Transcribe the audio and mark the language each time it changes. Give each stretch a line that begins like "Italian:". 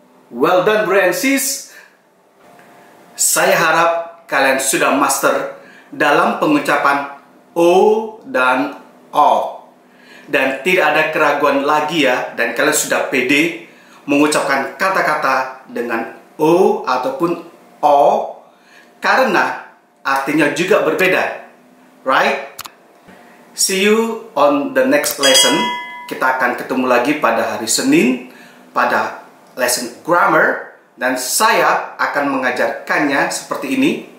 English: Well done, bro and sis.
Indonesian: Saya harap kalian sudah master dalam pengucapan O dan O. Dan tidak ada keraguan lagi ya, dan kalian sudah pede mengucapkan kata-kata dengan O ataupun O, karena artinya juga berbeda.
English: Right? See you on the next lesson.
Indonesian: Kita akan ketemu lagi pada hari Senin, pada lesson grammar, dan saya akan mengajarkannya seperti ini.